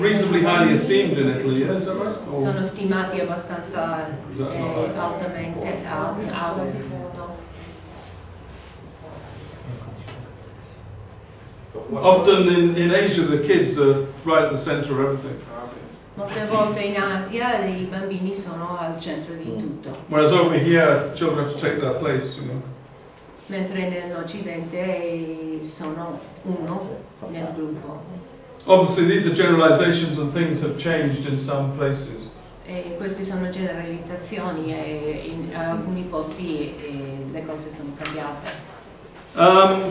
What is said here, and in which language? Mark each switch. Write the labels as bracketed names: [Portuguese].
[English] Reasonably highly esteemed in Italy, yeah, is that right? [Italian] Or sono stimati abbastanza altamente al mondo. [English] Often in Asia, the kids are right at the center of everything. [Italian] Molte volte in Asia i bambini sono al centro di tutto. [English] Whereas over here, children have to take their place, you know. [Italian] Mentre nell'Occidente sono uno nel gruppo. [English] Obviously these are generalizations and things have changed in some places. [Italian] E queste sono generalizzazioni e in alcuni posti le cose sono cambiate.